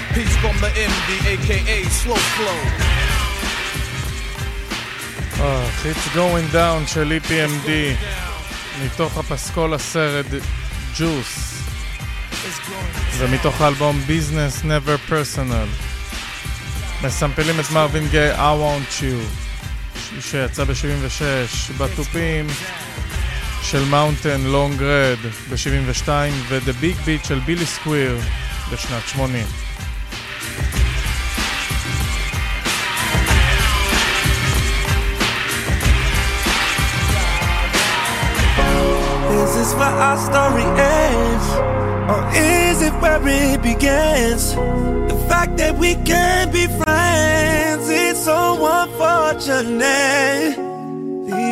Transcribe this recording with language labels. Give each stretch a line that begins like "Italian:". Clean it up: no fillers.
English: Peace from the MD, aka Slow Flow.
Hebrew: It's going down, של EPMD. מתוך הפסקול הסרט, ג'וס. ומתוך האלבום, Business Never Personal. מסמפלים את מרווין גיי, I Want You. שיצא ב-76 בתופים של מאונטן לונג רד ב-72 ודה ביג ביט של בילי סקוויר בשנת 80.
English: Is this where our story ends? Or is it where it begins? The fact that we can't be friends, it's so unfortunate. The